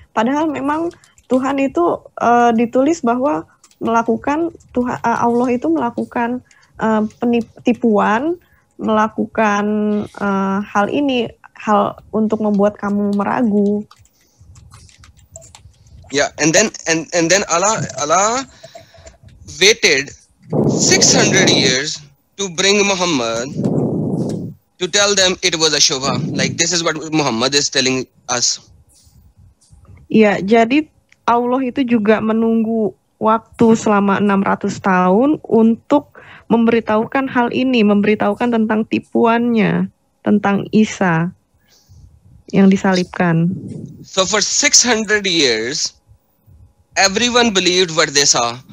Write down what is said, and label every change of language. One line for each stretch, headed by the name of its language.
Indonesian: Padahal memang Tuhan itu ditulis bahwa melakukan Tuhan, Allah itu melakukan penipuan, melakukan hal ini, hal untuk membuat kamu meragu.
English: Ya, yeah, and then Allah waited 600 years to bring Muhammad to tell them it was a shubha. Like, this is what Muhammad is telling us.
Indonesian: Ya, yeah, jadi Allah itu juga menunggu waktu selama 600 tahun untuk memberitahukan hal ini, memberitahukan tentang tipuannya, tentang Isa yang disalibkan.
English: So for 600 years, everyone believed what they saw.